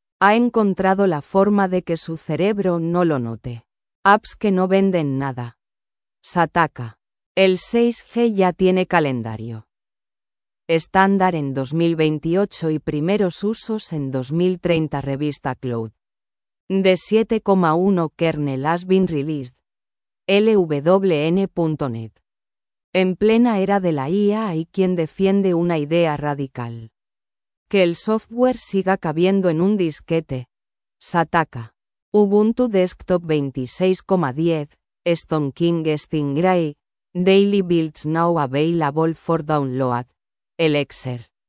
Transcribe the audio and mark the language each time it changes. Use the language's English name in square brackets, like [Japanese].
[Spanish] Ha encontrado la forma de que su cerebro no lo note. Apps que no venden nada. Sataka. El 6G ya tiene calendario. Estándar en 2028 y primeros usos en 2030. Revista Cloud. [English] De 7,1 kernel has been released. LWN.net. [Spanish] En plena era de la IA hay quien defiende una idea radical. Que el software siga cabiendo en un disquete. Sataka. [English] Ubuntu Desktop 26,10, Stone King Stingray, Daily Builds Now Available for Download, Elixir.